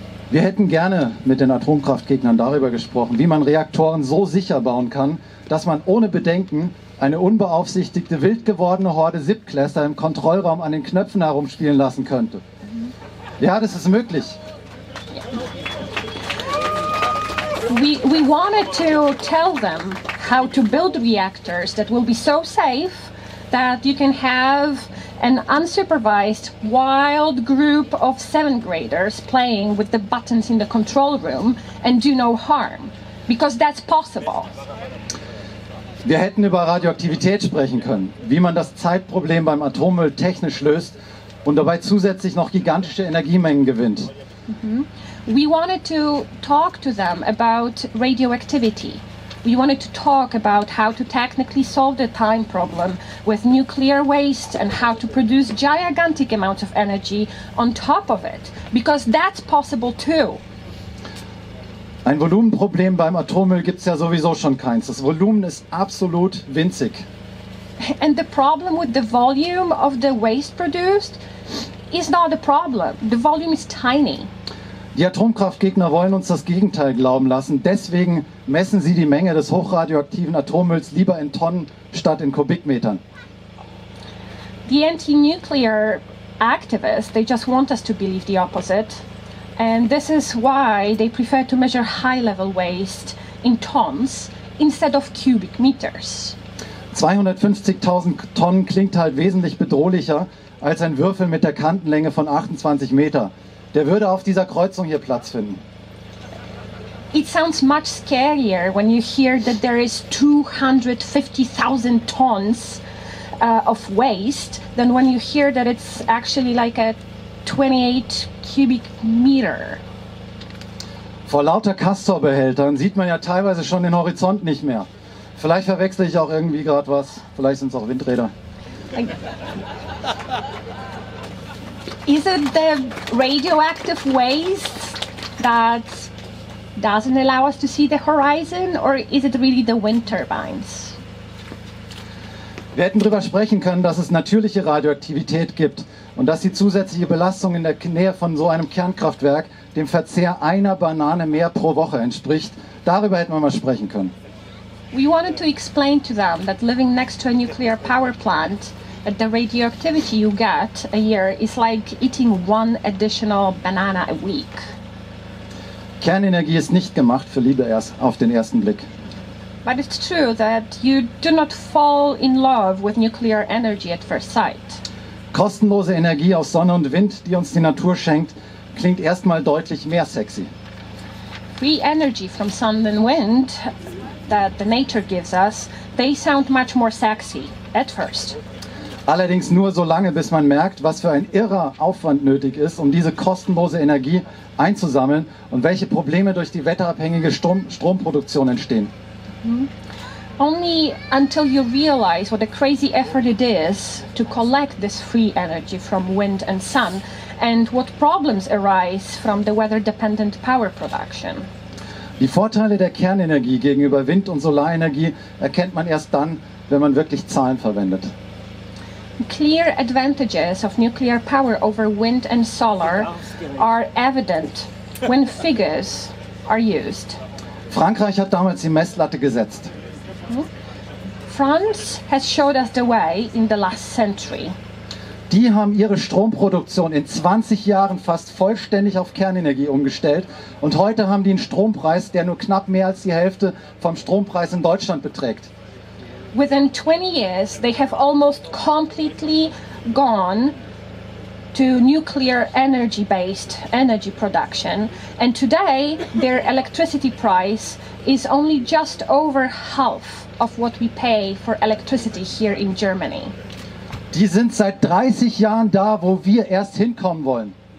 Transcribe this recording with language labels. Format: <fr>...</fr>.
<de>Wir hätten gerne mit den Atomkraftgegnern darüber gesprochen, wie man Reaktoren so sicher bauen kann, dass man ohne Bedenken eine unbeaufsichtigte, wild gewordene Horde Siebtklässler im Kontrollraum an den Knöpfen herumspielen lassen könnte. Ja, das ist möglich.</de> <en>We wanted to tell them how to build reactors that will be so safe that you can have an unsupervised wild group of seventh graders playing with the buttons in the control room and do no harm, because that's possible.</en> <de>Wir hätten über Radioaktivität sprechen können, wie man das Zeitproblem beim Atommüll technisch löst und dabei zusätzlich noch gigantische Energiemengen gewinnt. Mm-hmm.</de> <en>We wanted to talk to them about radioactivity. We wanted to talk about how to technically solve the time problem with nuclear waste and how to produce gigantic amounts of energy on top of it, because that's possible too.</en> <de>Ein Volumenproblem beim Atommüll gibt's ja sowieso schon keins. Das Volumen ist absolut winzig.</de> <en>And the problem with the volume of the waste produced is not a problem. The volume is tiny.</en> <de>Die Atomkraftgegner wollen uns das Gegenteil glauben lassen. Deswegen messen sie die Menge des hochradioaktiven Atommülls lieber in Tonnen statt in Kubikmetern.</de> <en>The anti-nuclear activists, they just want us to believe the opposite. And this is why they prefer to measure high-level waste in tons instead of cubic meters.</en> <de>250.000 Tonnen klingt halt wesentlich bedrohlicher als ein Würfel mit der Kantenlänge von 28 Meter. Der würde auf dieser Kreuzung hier Platz finden.</de> <en>It sounds much scarier when you hear that there is 250,000 tons of waste than when you hear that it's actually like a 28 cubic meter.</en> <de>Vor lauter Castor-Behältern sieht man ja teilweise schon den Horizont nicht mehr. Vielleicht verwechsle ich auch irgendwie gerade was. Vielleicht sind es auch Windräder.</de> <en>Is it the radioactive waste that doesn't allow us to see the horizon, or is it really the wind turbines?</en> <de>Wir hätten darüber sprechen können, dass es natürliche Radioaktivität gibt und dass die zusätzliche Belastung in der Nähe von so einem Kernkraftwerk dem Verzehr einer Banane mehr pro Woche entspricht. Darüber hätten wir mal sprechen können.</de> <en>We wanted to explain to them that living next to a nuclear power plant, that the radioactivity you get a year is like eating one additional banana a week.</en> <de>Kernenergie ist nicht gemacht für Liebe erst auf den ersten Blick.</de> <en>But it's true that you do not fall in love with nuclear energy at first sight.</en> <de>Kostenlose Energie aus Sonne und Wind, die uns die Natur schenkt, klingt erstmal deutlich mehr sexy.</de> <en>Free energy from sun and wind that the nature gives us, they sound much more sexy at first.</en> <de>Allerdings nur so lange, bis man merkt, was für ein irrer Aufwand nötig ist, um diese kostenlose Energie einzusammeln und welche Probleme durch die wetterabhängige Stromproduktion entstehen. Mm-hmm.</de> <en>Only until you realize what a crazy effort it is to collect this free energy from wind and sun and what problems arise from the weather-dependent power production.</en> <de>Die Vorteile der Kernenergie gegenüber Wind- und Solarenergie erkennt man erst dann, wenn man wirklich Zahlen verwendet.</de> <en>Clear advantages of nuclear power over wind and solar are evident when figures are used.</en> <de>Frankreich hat damals die Messlatte gesetzt.</de> <en>France has showed us the way in the last century.</en> <de>Die haben ihre Stromproduktion in 20 Jahren fast vollständig auf Kernenergie umgestellt. Und heute haben die einen Strompreis, der nur knapp mehr als die Hälfte vom Strompreis in Deutschland beträgt.</de> <en>Within 20 years, they have almost completely gone to nuclear energy-based energy production. And today, their electricity price is only just over half of what we pay for electricity here in Germany.</en> <de>Die sind seit 30 Jahren da, wo wir erst hinkommen wollen.</de>